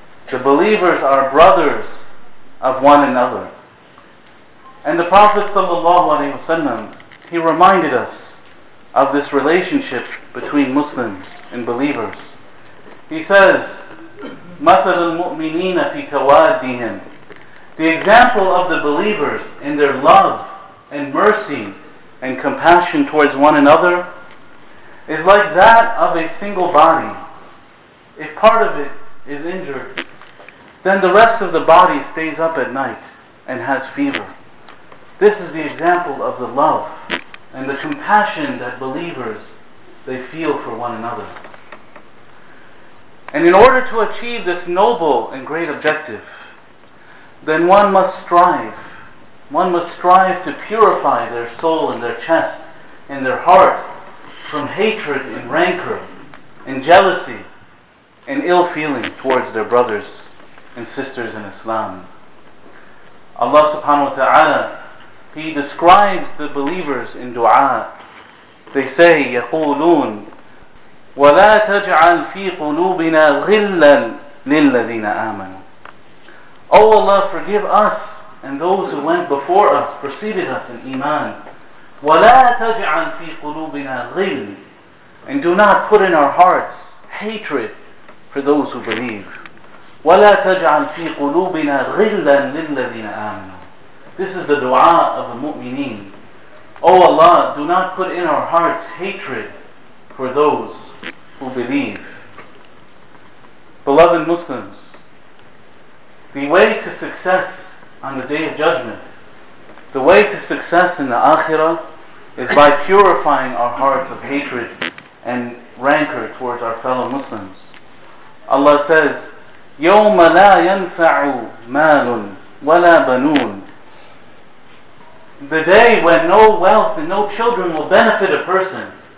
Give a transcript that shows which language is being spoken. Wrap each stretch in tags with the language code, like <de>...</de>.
<en>The believers are brothers of one another. And the Prophet sallallahu alaihi wasallam, he reminded us of this relationship between Muslims and believers. He says,</en> <ar>مَثَلُ الْمُؤْمِنِينَ فِي تَوَادِّهِمْ.</ar> <en>The example of the believers in their love and mercy and compassion towards one another is like that of a single body. If part of it is injured, then the rest of the body stays up at night and has fever. This is the example of the love and the compassion that believers, they feel for one another. And in order to achieve this noble and great objective, then one must strive. One must strive to purify their soul and their chest and their heart from hatred and rancor and jealousy and ill feeling towards their brothers and sisters in Islam. Allah subhanahu wa ta'ala, He describes the believers in dua. They say,</en> <ar>يقولون وَلَا تَجْعَلْ فِي قُلُوبِنَا غِلًّا لِلَّذِينَ آمَنُوا.</ar> <en>O Allah, forgive us and those who went before us, preceded us in iman.</en> <ar>وَلَا تَجْعَلْ فِي قُلُوبِنَا غِلًّا.</ar> <en>And do not put in our hearts hatred for those who believe.</en> <ar>وَلَا تَجْعَلْ فِي قُلُوبِنَا غِلًّا لِلَّذِينَ آمَنُوا.</ar> <en>This is the dua of the mu'mineen. O Allah, do not put in our hearts hatred for those who believe. Beloved Muslims, the way to success on the Day of Judgment, the way to success in the Akhirah, is by purifying our hearts of hatred and rancor towards our fellow Muslims. Allah says,</en> <ar>يَوْمَ لَا يَنْفَعُ مَالٌ وَلَا بَنُونَ.</ar> <en>The day when no wealth and no children will benefit a person.</en>